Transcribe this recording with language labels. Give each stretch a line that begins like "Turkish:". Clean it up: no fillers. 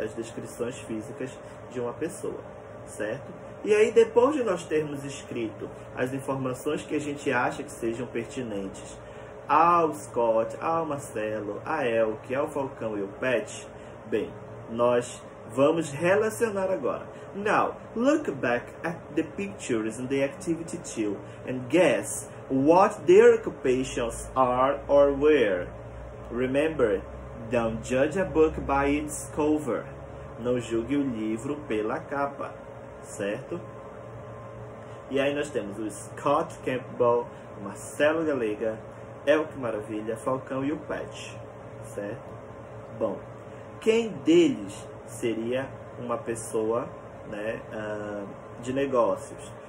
Portuguese: As descrições físicas de uma pessoa, certo? E aí, depois de nós termos escrito as informações que a gente acha que sejam pertinentes ao Scott, ao Marcelo, a Elke, ao Falcão e ao Pat, bem, nós vamos relacionar agora.
English: Now, look back at the pictures in the activity 2 and guess what their occupations are or were. Remember, don't judge a book by its cover.
Portuguese: Não julgue o livro pela capa, certo? E aí nós temos o Scott Campbell, o Marcelo Galega, Elke Maravilha, Falcão e o Pat, certo? Bom, quem deles seria uma pessoa, né, de negócios?